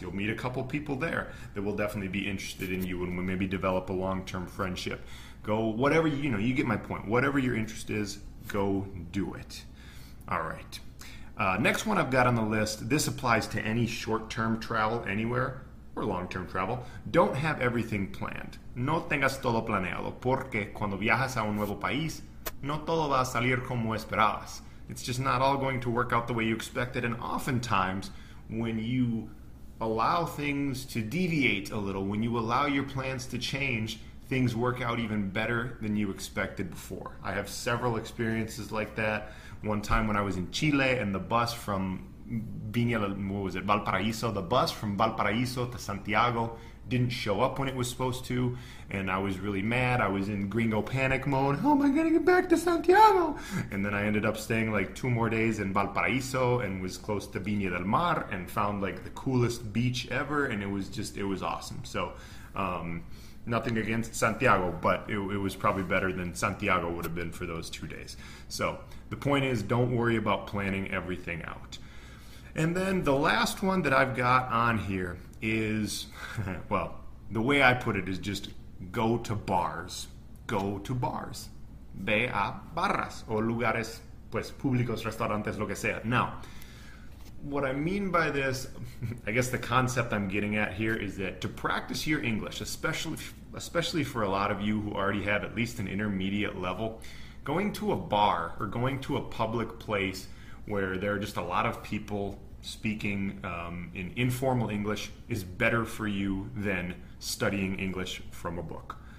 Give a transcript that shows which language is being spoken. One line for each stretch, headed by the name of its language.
English: You'll meet a couple people there that will definitely be interested in you, and will maybe develop a long-term friendship. Go, whatever, you know, you get my point. Whatever your interest is, go do it. All right. Next one I've got on the list, this applies to any short-term travel anywhere or long-term travel. Don't have everything planned.
Spanish: No tengas todo planeado, porque cuando viajas a un nuevo país, no todo va a salir como esperabas.
English: It's just not all going to work out the way you expected, and oftentimes when you allow things to deviate a little, when you allow your plans to change, things work out even better than you expected before. I have several experiences like that. One time when I was in Chile and the bus from Valparaíso to Santiago didn't show up when it was supposed to, and I was really mad. I was in gringo panic mode. How am I going to get back to Santiago? And then I ended up staying like two more days in Valparaíso and was close to Viña del Mar and found like the coolest beach ever, and it was just, it was awesome. So nothing against Santiago, but it was probably better than Santiago would have been for those 2 days. So the point is, don't worry about planning everything out. And then the last one that I've got on here is, well, the way I put it is just go to bars. Go to bars.
Spanish: Ve a barras o lugares pues públicos, restaurantes, lo que sea.
English: Now, what I mean by this, I guess the concept I'm getting at here is that to practice your English, especially for a lot of you who already have at least an intermediate level, going to a bar or going to a public place where there are just a lot of people speaking in informal English is better for you than studying English from a book.